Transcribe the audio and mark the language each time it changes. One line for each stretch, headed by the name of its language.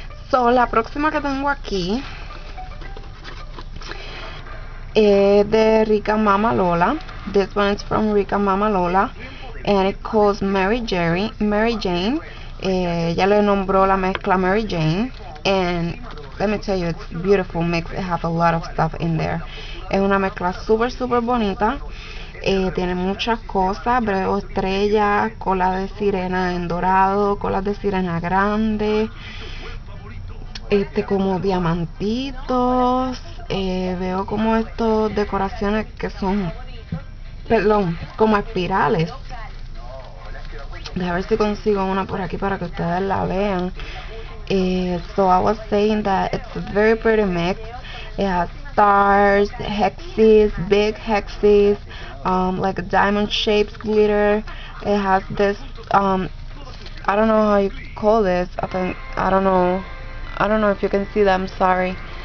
Spanish: So la próxima que tengo aquí es de Rica Mama Lola.
English: This one is from Rica Mama Lola and it calls Mary Jane.
Spanish: Ya le nombró la mezcla Mary Jane.
English: And let me tell you, it's beautiful mix. It has a lot of stuff in there.
Spanish: Es una mezcla súper, súper bonita. Tiene muchas cosas: breo estrella, cola de sirena en dorado, cola de sirena grande, como diamantitos. Veo como estos decoraciones que son, perdón, como espirales. Deja ver si consigo una por aquí para que ustedes la vean.
English: So I was saying that it's a very pretty mix. It has stars, hexes, big hexes, like a diamond shaped glitter. It has this, I don't know how you call this. I think, I don't know if you can see them, sorry.